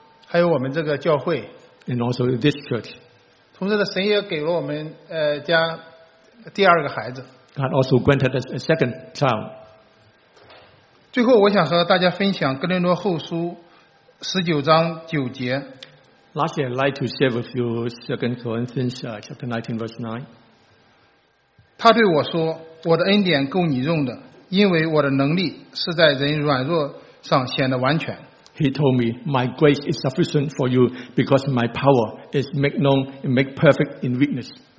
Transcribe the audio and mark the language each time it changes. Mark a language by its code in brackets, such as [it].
[zh] 还有我们这个教会。 [en] And also this church. [zh] 同时呢，神也给了我们家第二个孩子。 [en] God also granted us a second child. [zh] 最后，我想和大家分享《哥林多后书》十九章九节。 [en] Lastly, I'd like to share with you 2 Corinthians chapter 19, verse 9. [zh] 他对我说，我的恩典够你用的，因为我的能力是在人软弱上显得完全。 [en] He told me, my grace is sufficient for you because my power is made known and made perfect in weakness.